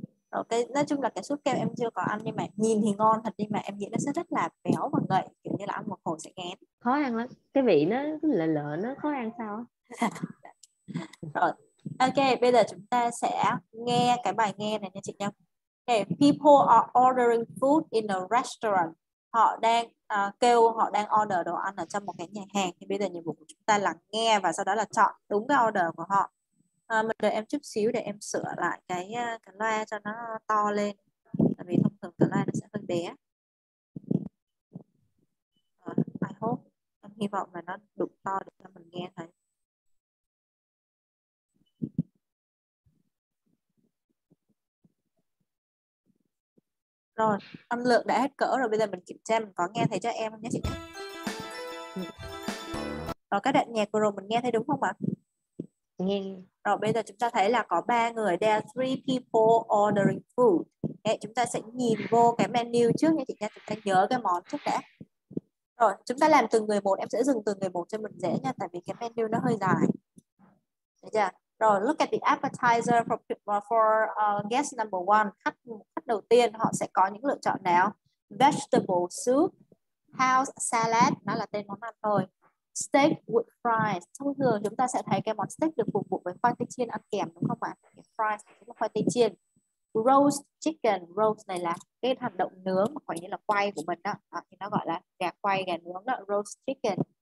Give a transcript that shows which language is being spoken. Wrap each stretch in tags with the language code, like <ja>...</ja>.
<vi>Ok, nói chung là cái súp kem em chưa có ăn, nhưng mà nhìn thì ngon thật, nhưng mà em nghĩ nó sẽ rất là béo và ngậy, kiểu như là ăn một hồi sẽ ngán. Khó ăn lắm, cái vị nó cứ lợ lợ, nó khó ăn sao. Rồi, ok, bây giờ chúng ta sẽ nghe cái bài nghe này nha chị nhá.</vi> <en>Okay, people are ordering food in a restaurant.</en> <vi>Họ đang kêu, họ đang order đồ ăn ở trong một cái nhà hàng. Thì bây giờ nhiệm vụ của chúng ta là nghe và sau đó là chọn đúng cái order của họ. Mình đợi em chút xíu để em sửa lại cái loa cho nó to lên. Tại vì thông thường cái loa nó sẽ hơi bé. Hope, em hy vọng là nó đủ to để cho mình nghe thấy. Rồi, âm lượng đã hết cỡ rồi, bây giờ mình kiểm tra mình có nghe thấy cho em không nhé chị nhé. Rồi, cái đoạn nhạc vừa rồi mình nghe thấy đúng không ạ? Nghe Rồi, bây giờ chúng ta thấy là có ba người,</vi> <en>there are three people ordering food.</en> <vi>Đấy, chúng ta sẽ nhìn vô cái menu trước nha chị nhé, chúng ta nhớ cái món trước đã. Rồi, chúng ta làm từng người một, em sẽ dừng từng người một cho mình dễ nha, tại vì cái menu nó hơi dài. Được chưa?</vi> <en>Rồi, look at the appetizer for guest number one.</en> <vi>Khách đầu tiên họ sẽ có những lựa chọn nào? Vegetable soup, house salad, nó là tên món ăn thôi. Steak with fries. Thông thường chúng ta sẽ thấy cái món steak được phục vụ với khoai tây chiên ăn kèm đúng không ạ? Fries là khoai tây chiên. Roast chicken. Roast này là cái hoạt động nướng, mà coi như là quay của mình đó. Đó, thì nó gọi là gà quay, gà nướng đó. Roast chicken.</vi>